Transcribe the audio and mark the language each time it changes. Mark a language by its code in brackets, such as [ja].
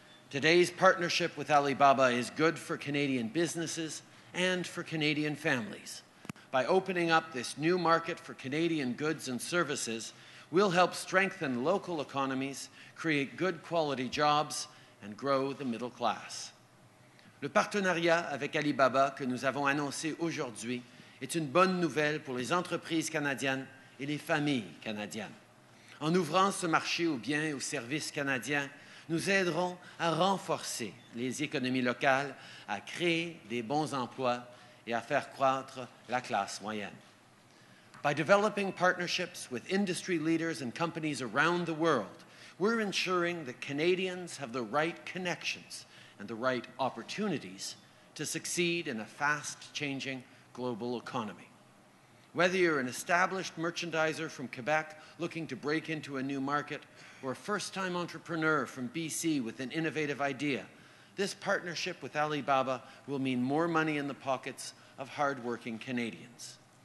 [en] Today's partnership with Alibaba is good for Canadian businesses and for Canadian families. By opening up this new market for Canadian goods and services, we'll help strengthen local economies, create good quality jobs, and grow the middle class. [fr] Le partenariat avec Alibaba que nous avons annoncé aujourd'hui est une bonne nouvelle pour les entreprises canadiennes et les familles canadiennes. En ouvrant ce marché aux biens et aux services canadiens, nous aiderons à renforcer les économies locales, à créer des bons emplois et à faire croître la classe moyenne. [en] By developing partnerships with industry leaders and companies around the world, we're ensuring that Canadians have the right connections and the right opportunities to succeed in a fast-changing global economy. Whether you're an established merchandiser from Quebec looking to break into a new market, or a first-time entrepreneur from BC with an innovative idea, this partnership with Alibaba will mean more money in the pockets of hard-working Canadians.